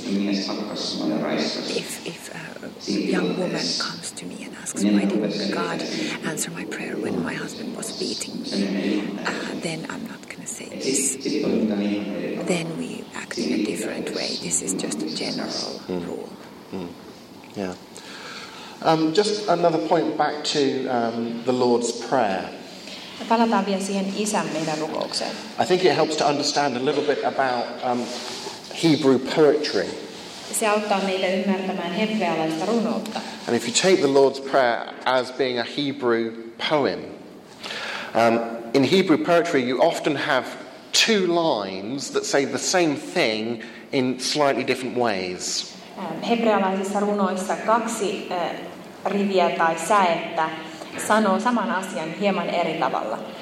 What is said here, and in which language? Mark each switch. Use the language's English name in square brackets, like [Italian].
[English] If a young woman comes to me and asks, why didn't God answer my prayer when my husband was beating me? Then I'm not going to say this. Then we act in a different way. This is just a general rule. Just another point back to the Lord's Prayer. [Finnish] Palataan vielä siihen isän meidän rukoukseen. [English] I think it helps to understand a little bit about Hebrew poetry. [Finnish] Se auttaa meitä ymmärtämään hebrealaista runoutta. [English] And if you take the Lord's Prayer as being a Hebrew poem, in Hebrew poetry you often have two lines that say the same thing in slightly different ways. [Finnish] Hebrealaisissa runoissa kaksi riviä tai säettä sanoo saman asian hieman eri tavalla.